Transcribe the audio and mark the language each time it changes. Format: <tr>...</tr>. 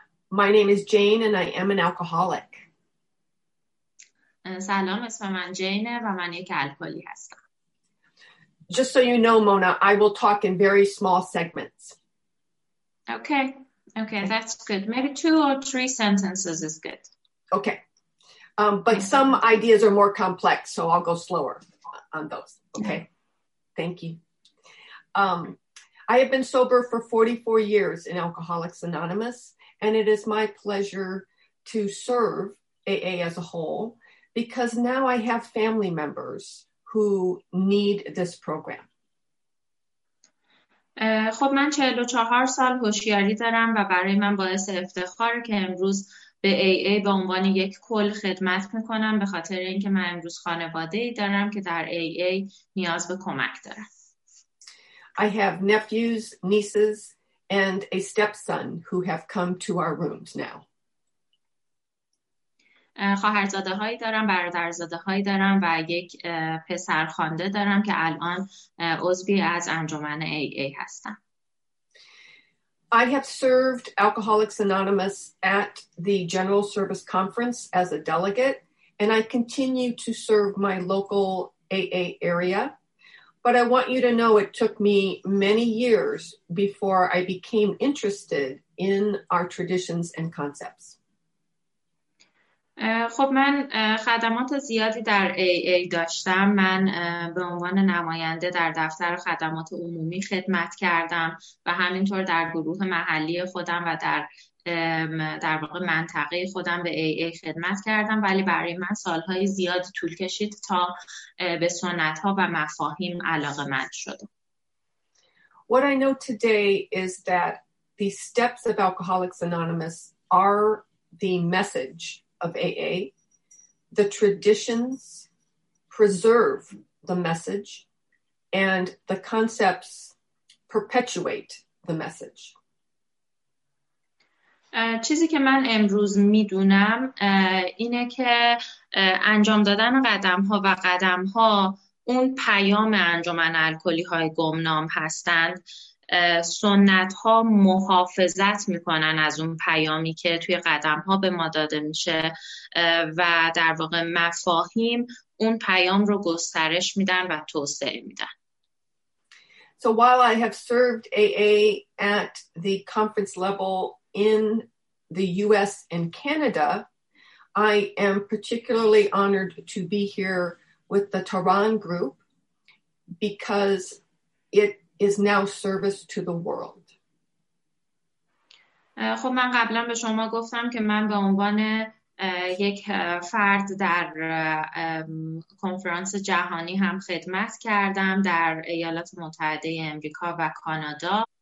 <en>My name is Jane and I am an alcoholic.</en> <fa>سلام، اسم من جینه و من یک الکلی هستم.</fa> <en>Just so you know, Mona, I will talk in very small segments. Okay. Okay, that's good. Maybe two or three sentences is good. Okay. But some ideas are more complex, so I'll go slower on those. Okay. Thank you. I have been sober for 44 years in Alcoholics Anonymous, and it is my pleasure to serve AA as a whole because now I have family members who need this program.</en> <fa>خب من 44 سال هوشیاری دارم و برای من باعث افتخار که امروز به AA به عنوان یک کل خدمت میکنم، به خاطر اینکه من امروز خانواده ای دارم که در AA نیاز به کمک دارم.</fa> <en>I have nephews, nieces and a stepson who have come to our rooms now.</en> <fa>خواهرزاده هایی دارم، برادرزاده هایی دارم و یک پسر خوانده دارم که الان عضوی از انجمن AA هستم.</fa> <en>I have served Alcoholics Anonymous at the General Service Conference as a delegate and I continue to serve my local AA area. But I want you to know it took me many years before I became interested in our traditions and concepts.</en> <fa>خب من خدمات زیادی در AA داشتم. من به عنوان نماینده در دفتر خدمات عمومی خدمت کردم و همینطور در گروه محلی خودم و در واقع منطقه خودم به AA خدمت کردم، ولی برای من سالهای زیاد طول کشید تا به سنت‌ها و مفاهیم علاقه مند شدم.</fa> <en>What I know today is that the steps of Alcoholics Anonymous are the message of AA. The traditions preserve the message and the concepts perpetuate the message.</en> <fa>چیزی که من امروز میدونم اینه که انجام دادن قدم‌ها اون پیام انجمن الکلی‌های گمنام هستند. سنت ها محافظت میکنن از اون پیامی که توی قدم ها به ما داده میشه و در واقع مفاهیم اون پیام رو گسترش میدن و توسعه میدن.</fa> <en>So while I have served AA at the conference level in the US and Canada, I am particularly honored to be here with the Tehran group because it is now service to the world.</en> <fa>خب من قبلا به شما گفتم که من به عنوان یک فرد در کنفرانس جهانی هم خدمت کردم در ایالات متحده آمریکا و کانادا.</fa>